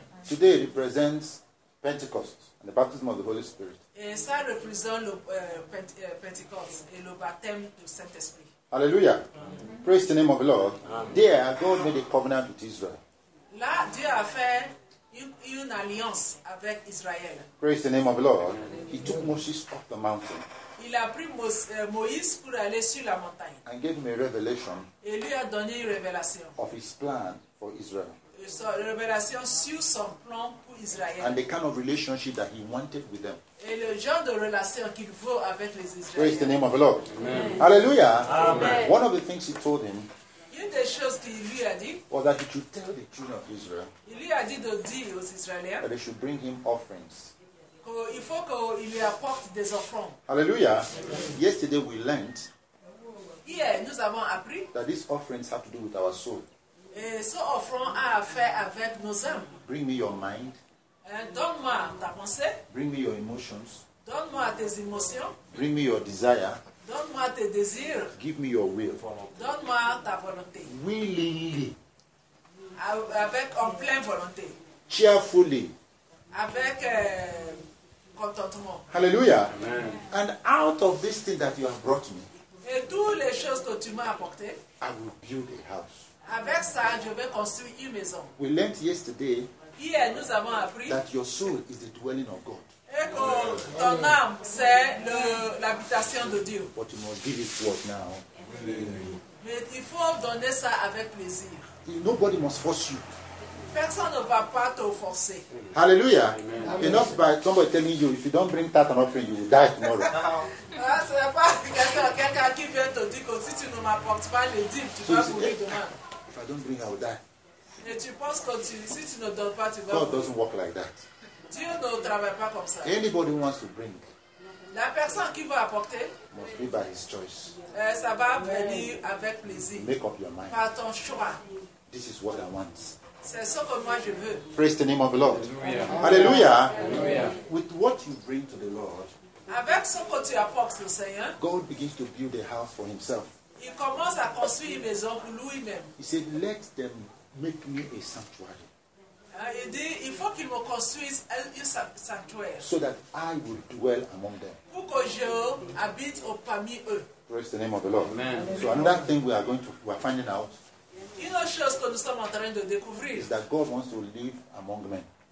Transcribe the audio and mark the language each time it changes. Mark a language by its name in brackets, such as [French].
[English] Today it represents Pentecost and the baptism of the Holy Spirit. [French] Et ça représente le Pentecost et le baptême du Saint-Esprit. [English] Alléluia. Praise the name of the Lord. Amen. There God made a covenant with Israel. [French] Là, Dieu a fait une alliance avec Israël. [English] Praise the name of the Lord. He took Moses up the mountain. [French] Il a pris Moïse pour aller sur la montagne. [English] And gave him a revelation. [French] Et lui a donné une révélation. [English] Of his plan for Israel. [French] Une révélation sur son plan pour Israël. [English] And the kind of relationship that he wanted with them. [French] Et le genre de relation qu'il veut avec les Israéliens. [English] Praise the name of the Lord. Amen. Hallelujah. Amen. One of the things he told him. [French] Une des choses qu'il lui a dit, [English] was that he should tell the children of Israel. [French] Il lui a dit de dire aux Israéliens [English] that they should bring him offerings. [French] Il faut qu'il lui apporte des offrandes. [English] Hallelujah. Yesterday we learned. [French] Hier, nous avons appris [English] that these offerings have to do with our soul. [French] Et ce offrande a affaire avec nos âmes. [English] Bring me your mind. [French] Donne-moi ta pensée. [English] Bring me your emotions. [French] Donne-moi tes émotions. [English] Bring me your desire. [French] Donne-moi tes désirs. [English] Give me your will. [French] Donne-moi ta volonté. [English] Willingly. [French] Avec en pleine volonté. [English] Cheerfully. [French] Avec contentement. Hallelujah. Amen. [English] And out of this thing that you have brought me. [French] Et toutes les choses que tu m'as apportées. [English] I will build a house. [French] Avec ça, je vais construire une maison. [English] We learned yesterday [French] Hier, nous avons appris [English] that your soul is the dwelling of God. [French] Et que ton âme, c'est l'habitation de Dieu. [English] But you must give it what now? [French] Mais il faut donner ça avec plaisir. [English] Nobody must force you. [French] Personne ne va pas te forcer. Hallelujah. Amen. [English] Enough by somebody telling you, if you don't bring that and offering, you will die tomorrow. [French] Ce n'est pas quelqu'un qui vient te dire que si tu ne m'apportes pas les dîmes, tu vas mourir demain. [English] If I don't bring, I will die. [French] Et tu penses que si tu ne donnes pas, tu vas mourir. [English] God doesn't work like that. [French] Dieu ne travaille pas comme ça. [English] Anybody who wants to bring, [French] la personne qui veut apporter, [English] must be by his choice. [French] Ça va venir avec plaisir. [English] Make up your mind. [French] Par ton choix. [English] This is what I want. [French] C'est ce que moi je veux. [English] Praise the name of the Lord. Hallelujah. Hallelujah. Hallelujah. With what you bring to the Lord, [French] avec ce que tu apportes au Seigneur, [English] God begins to build a house for himself. [French] Il commence à construire une maison pour lui-même. [English] He said, let them make me a sanctuary. [French] Il dit, il faut qu'il me construise un sanctuaire. [English] So that I will dwell among them. [French] Pour que je habite au parmi eux. [English] Praise the name of the Lord. Amen. So another thing we are finding out. [French] Une chose que nous sommes en train de découvrir, [English] is that God wants to live among men.